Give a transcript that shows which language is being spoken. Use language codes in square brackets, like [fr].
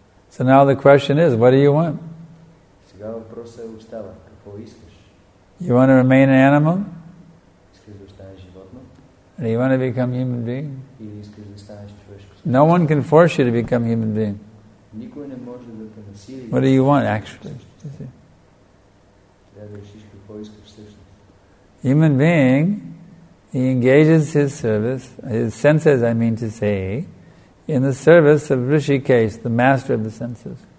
[en] So now the question is, what do you want? [bg] Сега въпросът остава, какво искаш? [en] You want to remain an animal? [bg] Искаш да останеш животно? [en] And you want to become human being? [bg] Или искаш да останеш човешко? [en] No one can force you to become human being. [bg] Никой не може да те насили. [en] What do you want actually? [bg] Трябва да решиш какво искаш всъщност. [en] Human being, he engages his service, his senses, I mean to say, in the service of Rishikesh, the master of the senses.